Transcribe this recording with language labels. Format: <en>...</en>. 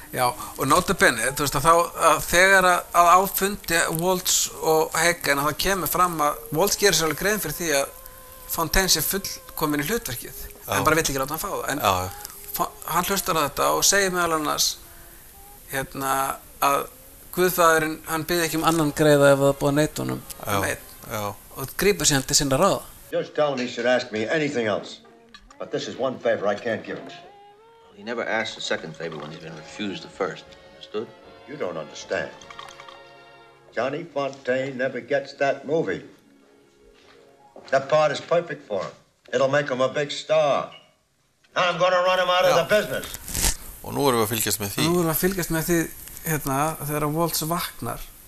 <is>Já, og nota bene, þú veist að þá að þegar að áfundi Waltz og Hagen að það kemur fram að Waltz gerir sér alveg grein fyrir því að Fontaine sé fullkomin í hlutverkið. Já. En bara vill ekki láta hann fá það. En já. Hann hlustar að þetta og segir meðal annars hérna að guðfaðurinn, hann byrði ekki um annan greiða ef það búið að neita honum. Og grípur síðan til sinna ráða.</is> <en>Just tell him he should ask me anything else. But this is one favor I can't give him. Well, he never asks a second favor when he's been refused the first. Understood? You don't understand. Johnny Fontaine never gets that movie. That part is perfect for him. It'll make him a big star. I'm gonna run him out of the business.</en> <is>Og nú erum við að fylgjast með því. Nú erum við að fylgjast með því, hérna, þegar Waltz vaknar.</is>